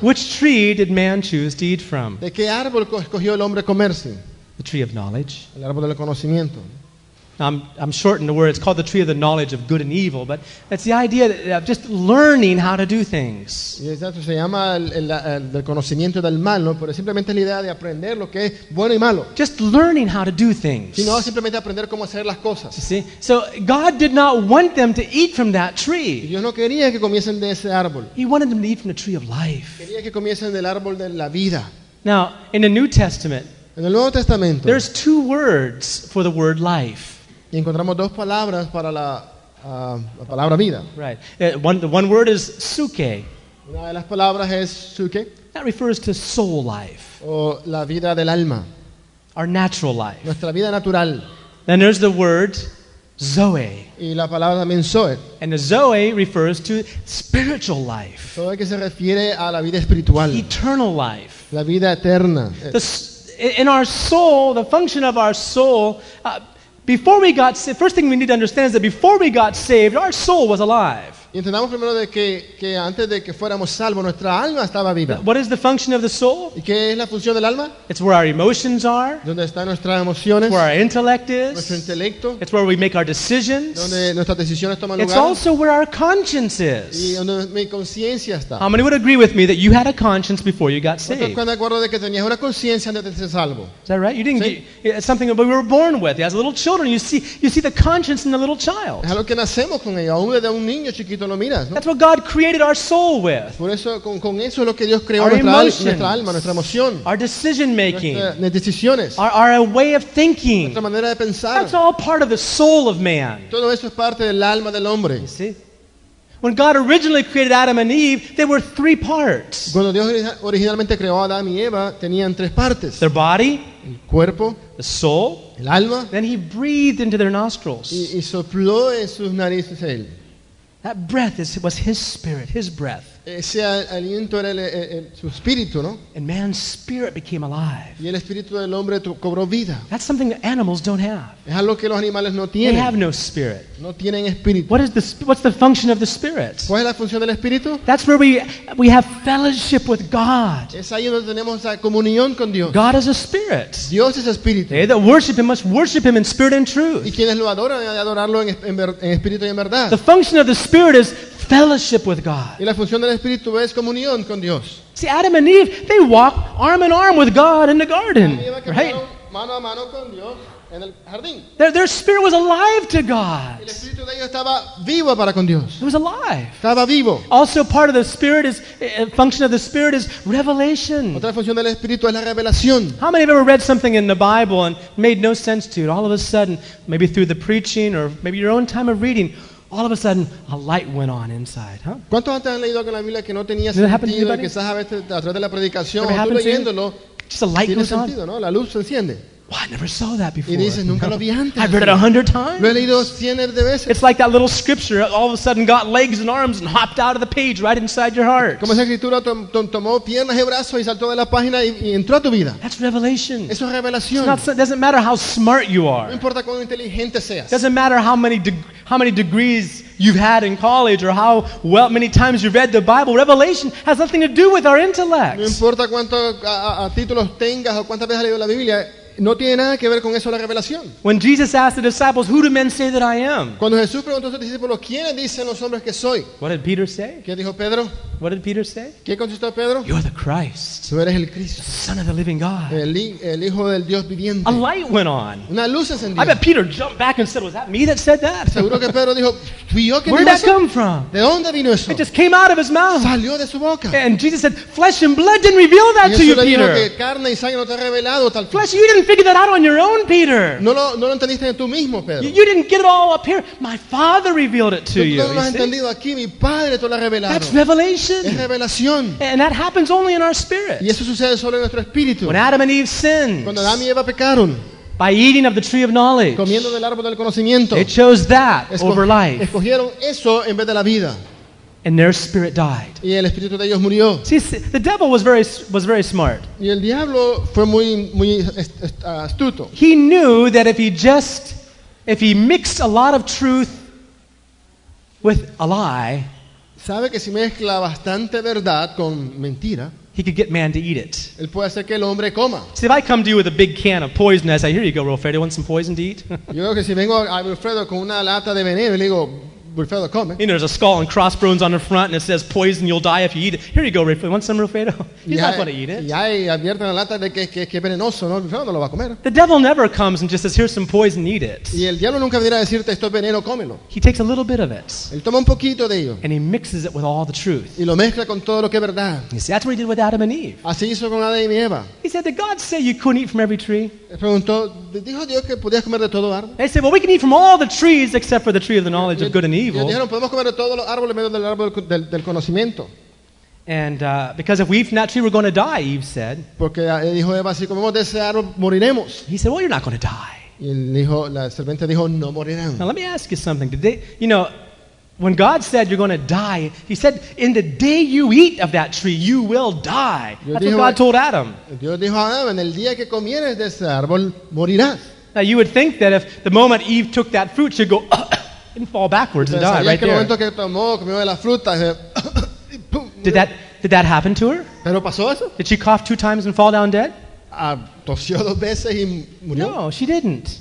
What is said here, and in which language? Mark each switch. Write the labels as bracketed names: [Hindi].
[English] Which tree did man choose to eat from? [Spanish] De qué árbol escogió el hombre comerse? [English] The tree of knowledge. [Spanish] El árbol del conocimiento. [English] I'm shortening the word. It's called the tree of the knowledge of good and evil, but it's the idea of just learning how to do things. [Spanish] Exacto. Se llama el conocimiento del mal, ¿no? Pero simplemente la idea de aprender lo que es bueno y malo. [English] Just learning how to do things. [Spanish] Sino simplemente aprender cómo hacer las cosas. [English] You see? So God did not want them to eat from that tree. [Spanish] Dios no quería que comiesen de ese árbol. [English] He wanted them to eat from the tree of life. [Spanish] Quería que comiesen del árbol de la vida. [English] Now, in the New Testament, [Spanish] en el Nuevo Testamento, [English] there's two words for the word life. [Spanish] Y encontramos dos palabras para la palabra vida. [English] Right. One word is psuche. [Spanish] Una de las palabras es psuche. [English] That refers to soul life. [Spanish] O la vida del alma. [English] Our natural life. [Spanish] Nuestra vida natural. [English] Then there's the word zoe. [Spanish] Y la palabra también zoe. [English] And the zoe refers to spiritual life. [Spanish] Zoe que se refiere a la vida espiritual. [English] Eternal life. [Spanish] La vida eterna. [English] In our soul, the function of our soul... Before we got saved, first thing we need to understand is that before we got saved, our soul was alive. [Spanish] Entendamos primero de que antes de que fuéramos salvos, nuestra alma estaba viva. [English] What is the function of the soul? [Spanish] ¿Y qué es la función del alma? [English] It's where our emotions are. [Spanish] ¿Dónde están nuestras emociones? [English] Where our intellect is. [Spanish] Nuestro intelecto. [English] It's where we make our decisions. [Spanish] ¿Dónde nuestras decisiones toman lugar? [English] It's also where our conscience is. [Spanish] ¿Y dónde mi conciencia está? [English] How many would agree with me that you had a conscience before you got saved? [Spanish] ¿Cuántos están de acuerdo de que tenías una conciencia antes de ser salvo? [English] Is that right? You didn't. ¿Sí? It's something that we were born with. As little children, you see the conscience in the little child. [Spanish] Es algo que nacemos con ella, aún desde un niño chiquito. [English] That's what God created our soul with. [Spanish] Por eso, con eso es lo que Dios creó [English] our [Spanish] nuestra alma, nuestra emoción. [English] Our decision making. [Spanish] Nuestras decisiones. [English] Our way of thinking. [Spanish] Nuestra manera de pensar. [English] That's all part of the soul of man. [Spanish] Todo eso es parte del alma del hombre. [English] You see? When God originally created Adam and Eve, they were three parts. [Spanish] Cuando Dios originalmente creó a Adán y Eva, tenían tres partes. [English] Their body. [Spanish] El cuerpo. [English] The soul. [Spanish] El alma. [English] Then He breathed into their nostrils. [Spanish] Y sopló en sus narices Él. [English] That breath was His spirit, His breath. [Spanish] Ese aliento era el su espíritu, ¿no? [English] And man's spirit became alive. [Spanish] Y el espíritu del hombre cobró vida. [English] That's something that animals don't have. [Spanish] Es algo que los animales no tienen. [English] They have no spirit. [Spanish] No tienen espíritu. [English] What's the function of the spirit? [Spanish] ¿Cuál es la función del espíritu? [English] That's where we have fellowship with God. [Spanish] Es ahí donde tenemos la comunión con Dios. [English] God is a spirit. [Spanish] Dios es espíritu. [English] They that worship Him must worship Him in spirit and truth. [Spanish] Y quienes lo adoran deben adorarlo en espíritu y en verdad. [English] The function of the spirit is fellowship with God. [Spanish] Y la función del espíritu es comunión con Dios. [English] See, Adam and Eve, they walk arm in arm with God in the garden, right? [Spanish] Mano a mano con Dios en el jardín. [English] Their spirit was alive to God. [Spanish] El espíritu de ellos estaba vivo para con Dios. [English] It was alive. [Spanish] Estaba vivo. [English] Also, part of the spirit is function of the spirit is revelation. [Spanish] Otra función del espíritu es la revelación. [English] How many have ever read something in the Bible and made no sense to it? All of a sudden, maybe through the preaching or maybe your own time of reading. All of a sudden, a light went on inside, huh? [Spanish] ¿Cuántos antes han leído algo en la Biblia que no tenía sentido? Quizás a veces a través de la predicación, o tú leyéndolo, [English] just a light goes [Spanish] sentido, [English] on. [Spanish] ¿No? La luz se enciende. [English] Well, I never saw that before. [Spanish] Y dices, nunca lo vi antes. [English] I've heard it 100 times. [Spanish] Lo he leído cientos de veces. [English] It's like that little scripture all of a sudden got legs and arms and hopped out of the page right inside your heart. [Spanish] Como esa escritura tomó piernas y brazos y saltó de la página y entró a tu vida. [English] That's revelation. [Spanish] Eso es revelación. [English] It doesn't matter how smart you are. [Spanish] No importa cuán inteligente seas. [English] Doesn't matter how many degrees you've had in college or how well many times you've read the Bible. Revelation has nothing to do with our intellect. [Spanish] No importa cuántos títulos tengas o cuántas veces has leído la Biblia. No tiene nada que ver con eso la revelación. [English] When Jesus asked the disciples, "Who do men say that I am?" [Spanish] Cuando Jesús preguntó a sus discípulos, ¿quiénes dicen los hombres que soy? [English] What did Peter say? [Spanish] ¿Qué dijo Pedro? [English] What did Peter say? [Spanish] ¿Qué contestó Pedro? [English] You're the Christ. [Spanish] Tú eres el Cristo. [English] The Son of the living God. [Spanish] El hijo del Dios viviente. [English] A light went on. [Spanish] Una luz encendió. [English] I bet Peter jumped back and said, "Was that me that said that?" [Spanish] Seguro que Pedro dijo, "Fui yo que dije [English] eso." Where did that come from? [Spanish] ¿De dónde vino eso? [English] It just came out of his mouth. [Spanish] Salió de su boca. [English] And Jesus said, "Flesh and blood didn't reveal that to you, Peter." [Spanish] Y eso dijo que carne y sangre no te ha revelado tal. [English] Flesh, you didn't figure that out on your own, Peter. [Spanish] No lo entendiste tú mismo, Pedro. [English] You didn't get it all up here. My Father revealed it to you. [Spanish] Tú no lo has entendido aquí. Mi Padre te lo ha revelado. [English] That's revelation. [Spanish] Es revelación. [English] And that happens only in our spirit. [Spanish] Y eso sucede solo en nuestro espíritu. [English] When Adam and Eve sinned. [Spanish] Cuando Adán y Eva pecaron. [English] By eating of the tree of knowledge. [Spanish] Comiendo del árbol del conocimiento. [English] They chose that over life. [Spanish] Escogieron eso en vez de la vida. [English] And their spirit died. [Spanish] Y el espíritu de ellos murió. [English] See, the devil was very smart. [Spanish] Y el diablo fue muy muy astuto. [English] He knew that if he mixed a lot of truth with a lie, [Spanish] sabe que si mezcla bastante verdad con mentira, [English] he could get man to eat it. [Spanish] Él puede hacer que el hombre coma. [English] See, if I come to you with a big can of poison, I say, "Here you go, Wilfredo. You want some poison to eat?" [Spanish] Yo creo que si vengo a Wilfredo con una lata de veneno y le digo, Wilfredo, come. [English] You know, there's a skull and crossbones on the front, and it says, "Poison, you'll die if you eat it." Here you go, Wilfredo. Want some, Wilfredo? He's not going to eat it. The devil never comes and just says, "Here's some poison, eat it." [Spanish] Y el diablo nunca viene a decirte, "Esto es veneno, cómelo." [English] He takes a little bit of it. [Spanish] Él toma un poquito de ello. [English] And he mixes it with all the truth. [Spanish] Y lo mezcla con todo lo que es verdad. [English] You see, that's what he did with Adam and Eve. [Spanish] Así hizo con Adán y Eva. [English] He said, "Did God say you couldn't eat from every tree?" [Spanish] Preguntó, ¿dijo Dios que podías comer de todo árbol? [English] They said, "Well, we can eat from all the trees except for the tree of the knowledge of good and evil." [Spanish] Y dijeron, podemos comer de todos los árboles menos del árbol del conocimiento. [English] And because if we eat from that tree, we're going to die, Eve said. [Spanish] Porque dijo Eva, si comemos de ese árbol, moriremos. [English] He said, "Well, you're not going to die." [Spanish] Y dijo, la serpiente dijo, no morirán. [English] Now let me ask you something. Did they, you know, when God said you're going to die, he said, "In the day you eat of that tree, you will die." That's what God told Adam. [Spanish] Dios dijo a Adam, en el día que comieres de ese árbol, morirás. [English] Now you would think that if the moment Eve took that fruit, she'd go, and fall backwards and die right there. [Spanish] Que tomó, comió de la fruta, y [English] pum, did that happen to her? [Spanish] ¿Pero pasó eso? [English] Did she cough 2 times and fall down dead? [Spanish] Tosió 2 veces y murió. [English] No, she didn't.